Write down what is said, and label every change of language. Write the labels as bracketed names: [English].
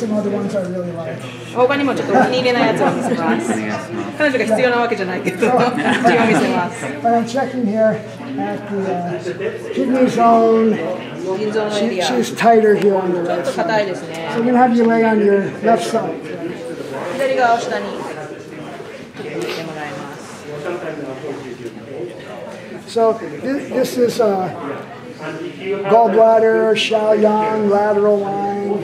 [Japanese] 他にもちょっとお気に入りなやつを見せます。彼女が必要なわけじゃないけど一応見せます。 [English] But I'm checking here at the kidney zone. She's tighter here on the left side. So I'm going to have you lay on your left side. [Japanese] 左側を下に入れてもらいます。 [English] So this is a gallbladder, Shaoyang, lateral line.